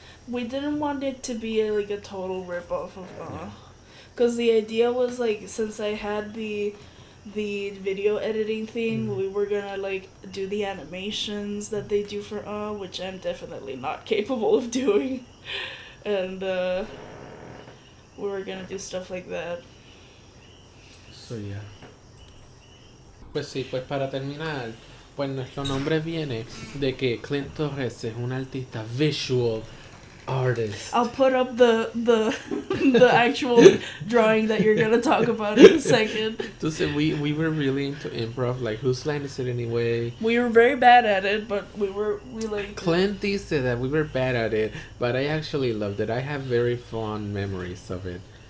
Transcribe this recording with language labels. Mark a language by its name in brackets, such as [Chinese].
[English] We didn't want it to be like a total ripoff of Because the idea was, like, since I had the video editing thing, we were gonna, like, do the animations that they do for which I'm definitely not capable of doing. And, we were gonna do stuff like that. So, yeah. [Spanish] Pues sí, pues para terminar, pues nuestro nombre viene de que Clint Torres es un artista visual. [English] Artist. I'll put up the actual drawing that you're gonna talk about in a second. Listen, we were really into improv. Like, whose line is it anyway? We were very bad at it, but we liked it. Clint said that we were bad at it, but I actually loved it. I have very fond memories of it.